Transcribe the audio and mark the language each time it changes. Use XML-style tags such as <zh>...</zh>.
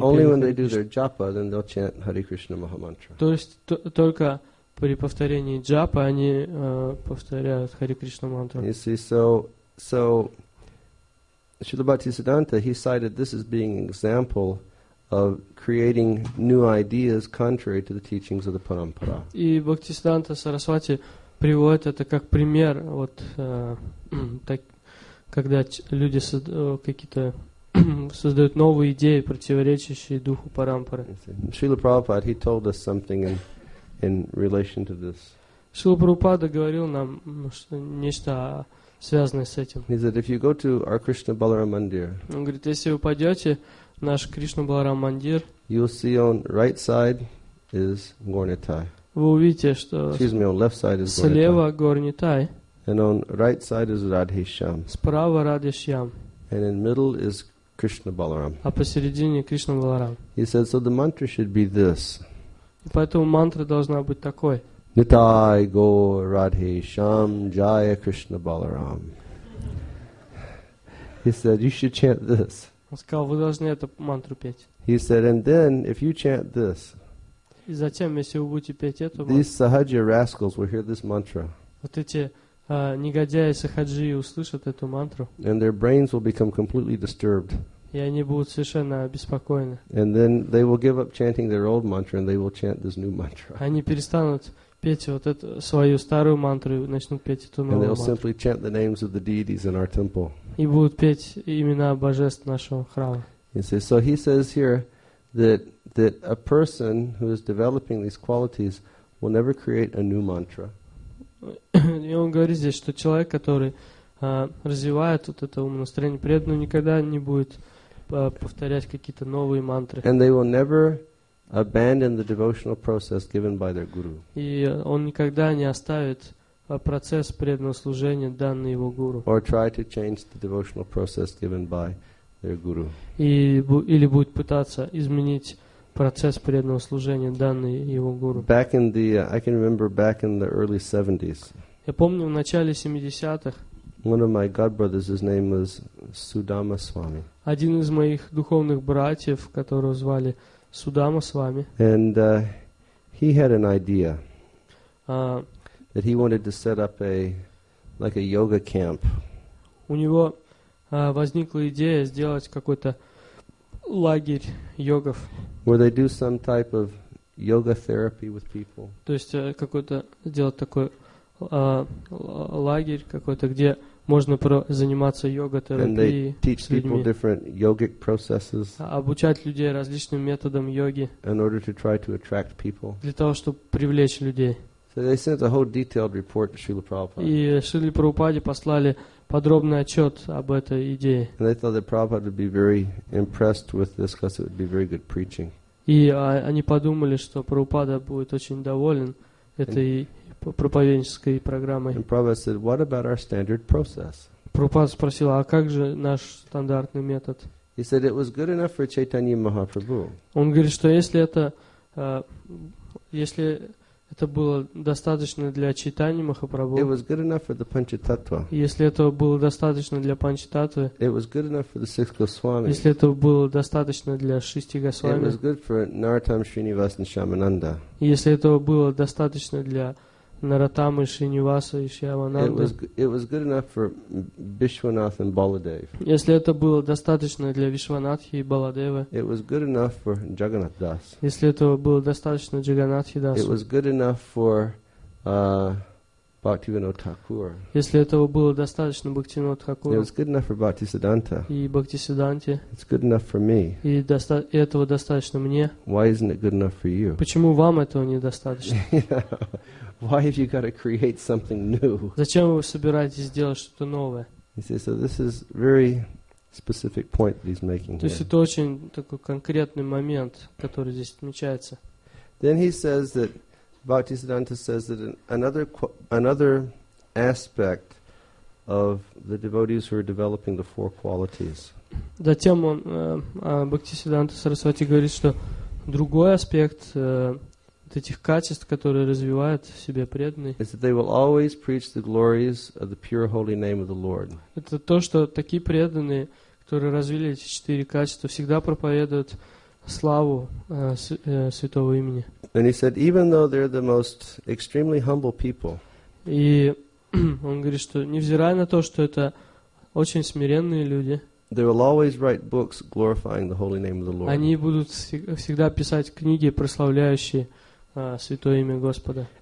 <en>only</en> <ru>пели</ru> <en>when they do their japa, then they'll chant Hari Krishna Mahamantra.</en> <ru>То есть только при повторении джапа они повторяют Хари Кришна мантру.</ru> <en>You see, so Śrīla Bhaktisiddhānta, he cited this as being an example of creating new ideas contrary to the teachings of the parampara.</en> <ru>И Бхактисиддханта Сарасвати приводит это как пример, вот так, когда люди какие-то создают новые идеи, противоречащие духу парампары.</ru> <en>Śrīla Prabhupāda, he told us something in relation to this.</en> <ru>Śrīla Prabhupāda говорил нам нечто связанное с этим.</ru> <en>He said, if you go to our Krishna Balaram Mandir,</en> <ru>он говорит, если вы пойдете наш Кришна Баларам Мандир,</ru> <en>you'll see on right side is Горнитай.</en> <ru>Вы увидите, что</ru> <en>excuse me, on left side is</en> <ru>слева Горнитай.</ru> <en>And on right side is Радхишьям.</en> <ru>Справа Радхишьям.</ru> <en>And in middle is Krishna Balaram.</en> <ru>А посередине Кришна Баларам.</ru> <en>He said, so the mantra should be this.</en> <ru>И поэтому мантра должна быть такой.</ru> <sa>Nitai go Radhe Sham Jaya Krishna Balaram.</sa> <en>He said, you should chant this.</en> <ru>Он сказал, вы должны эту мантру петь.</ru> <en>He said, and then if you chant this,</en> <ru>и затем, если вы будете петь эту</ru> <en>мантру, these sahaja rascals will hear this mantra.</en> <ru>Вот эти негодяи сахаджи услышат эту мантру.</ru> <en>And their brains will become completely disturbed.</en> <ru>И они будут совершенно обеспокоены.</ru> <en>And then they will give up chanting their old mantra and they will chant this new mantra.</en> <ru>Они перестанут петь вот эту свою старую мантру, начнут петь эту новую мантру. И будут петь имена божеств нашего храма.</ru> <en>So he says here that a person who is developing these qualities will never create a new mantra.</en> <ru>И он говорит здесь, что человек, который развивает вот это умное настроение преданного, никогда не будет повторять какие-то новые мантры.</ru> <en>And they will never abandon the devotional process given by their guru.</en> <ru>И он никогда не оставит процесс преданного служения, данный его гуру.</ru> <en>Or try to change the devotional process given by their guru.</en> <ru>Или будет пытаться изменить процесс преданного служения, данный его гуру.</ru> <en>Back in the, I can remember back in the early 70s.</en> <ru>Я помню в начале 70-х.</ru> <en>One of my godbrothers, his name was Sudama Swami.</en> <ru>Один из моих духовных братьев, которого звали Судама с вами.</ru> <en>And he had an idea that he wanted to set up a yoga camp.</en> <ru>У него возникла идея сделать какой-то лагерь йогов.</ru> <en>Where they do some type of yoga therapy with people.</en> <ru>То есть какой-то сделать такой лагерь какой-то, где можно заниматься йога-терапией.</ru> <en>And they teach people different yogic processes.</en> <ru>Обучать людей различным методам йоги.</ru> <en>In order to try to attract people.</en> <ru>Для того, чтобы привлечь людей.</ru> <en>So they sent a whole detailed report to Śrīla Prabhupāda.</en> <ru>И Шриле Прабхупаде послали подробный отчет об этой идее.</ru> <en>And they thought that Prabhupada would be very impressed with this because it would be very good preaching.</en> <ru>И они подумали, что Прабхупада будет очень доволен этой проповеденческой программой.</ru> <en>Prabhupada said, what about our standard process?</en> <ru>Прабхупада спросил, а как же наш стандартный метод?</ru> <en>He said, it was good enough for Chaitanya Mahaprabhu.</en> <ru>Он говорит, что если это было достаточно для Чайтаньи Махапрабху,</ru> <en>it was good enough for the Панчататва.</en> <ru>Если это было достаточно для Панчататвы,</ru> <en>it was good enough for the Six Госвами.</en> <ru>Если это было достаточно для Шести Госвами,</ru> <en>it was good for Наратам, Шринивас и Шамананда.</en> <ru>Если это было достаточно для Наратамы, Шринивасы и Шьявананды.</ru> <en>It was good enough for Vishwanath and Baladev.</en> <ru>Если это было достаточно для Вишванатхи и Баладева.</ru> <en>It was good enough for Jagannath Das.</en> <ru>Если этого было достаточно Джаганатхи Дасу.</ru> <en>It was good enough for Bhaktivinoda Thakur.</en> <ru>Если этого было достаточно Бхактивинода Тхакура.</ru> <en>It was good enough for Bhaktisiddhanta.</en> <ru>И Бхактисидданте.</ru> <en>It's good enough for me.</en> <ru>И этого достаточно мне.</ru> <en>Why isn't it good enough for you?</en> <ru>Почему вам этого недостаточно?</ru> <en>Why have you got to create something new?</en> <ru>Зачем вы собираетесь делать что-то новое?</ru> <en>He says, so this is very specific point that he's making.</en> <ru>То есть это очень такой конкретный момент, который здесь отмечается.</ru> <en>Then he says that Bhaktisiddhanta says that another aspect of the devotees who are developing the four qualities.</en> <ru>Затем он Бхактисиддханта Сарасвати говорит, что другой аспект вот этих качеств, которые развивают в себе преданные,</ru> <en>is that they will always preach the glories of the pure holy name of the Lord.</en> <ru>Это то, что такие преданные, которые развили эти четыре качества, всегда проповедуют славу святого имени.</ru> <en>And he said, even though they're the most extremely humble people.</en> <ru>И он говорит, что невзирая на то, что это очень смиренные люди,</ru> <en>they will always write books glorifying the holy name of the Lord.</en> <ru>Они будут всегда писать книги, прославляющие святое имя Господа.</ru>